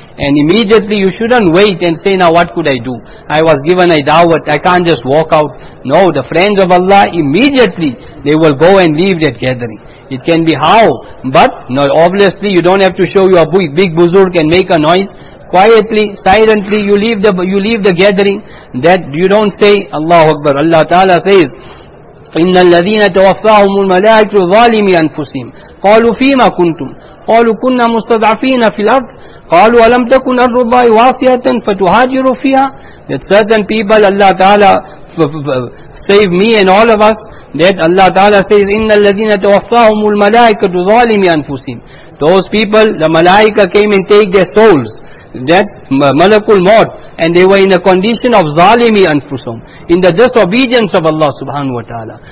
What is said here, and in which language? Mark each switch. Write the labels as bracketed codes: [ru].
[en] And immediately you shouldn't wait and say, now what could I do? I was given a da'wat, I can't just walk out. No, the friends of Allah, immediately they will go and leave that gathering. It can be how, but no, obviously you don't have to show your big buzurg and make a noise. Quietly, silently, you leave the gathering. That you don't say, Allahu Akbar. Allah Ta'ala says, [ar] إن الذين توفاهم الملائكة ظالمي أنفسهم قالوا فيما كنتم قالوا كنا مستضعفين في الأرض قالوا ألم تكن أرض الله واسعة فتهاجروا فيها. [en] That certain people Allah Ta'ala save me and all of us, that Allah Ta'ala says [ar] إن الذين توفاهم الملائكة ظالمي أنفسهم. [en] Those people, the malaika came and take their souls, that malakul maut, and they were in a condition of zalimi anfusum, in the disobedience of Allah Subhanahu Wa Ta'ala.